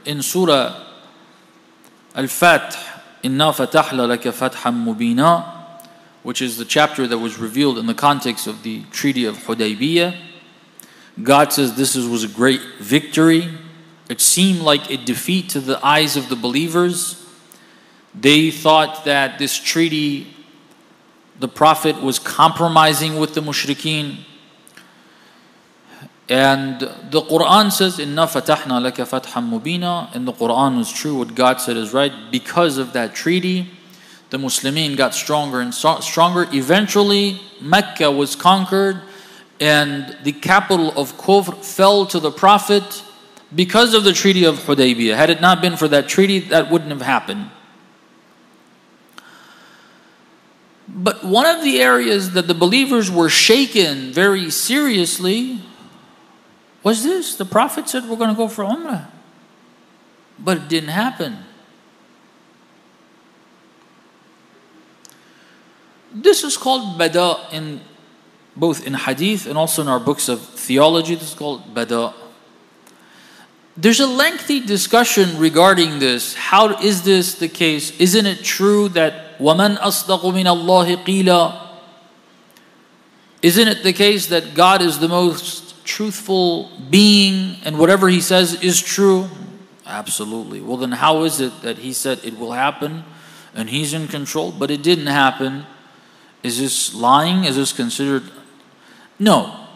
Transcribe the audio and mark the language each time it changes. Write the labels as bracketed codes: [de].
[en] In Surah Al-Fath, [ar] إِنَّا فَتَحْلَ لَكَ فَتْحًا مُبِينًا, [en] which is the chapter that was revealed in the context of the Treaty of Hudaybiyah. God says this was a great victory. It seemed like a defeat to the eyes of the believers. They thought that this treaty, the Prophet was compromising with the mushrikeen. And the Quran says, [ar] إِنَّا فَتَحْنَا لَكَ فَتْحًا مُبِينًا. [en] And the Quran is true. What God said is right. Because of that treaty, the Muslimin got stronger and stronger. Eventually, Mecca was conquered. And the capital of Kufr fell to the Prophet because of the Treaty of Hudaybiyah. Had it not been for that treaty, that wouldn't have happened. But one of the areas that the believers were shaken very seriously was this. The Prophet said, we're going to go for Umrah. But it didn't happen. This is called Bada, in both in Hadith and also in our books of theology. This is called Bada. There's a lengthy discussion regarding this. How is this the case? Isn't it true that [ar] وَمَنْ أَصْدَقُ مِنَ اللَّهِ قِيلًا? [en] Isn't it the case that God is the most truthful being and whatever he says is true? Absolutely. Well, then how is it that he said it will happen and he's in control but it didn't happen? Is this lying? Is this considered? No.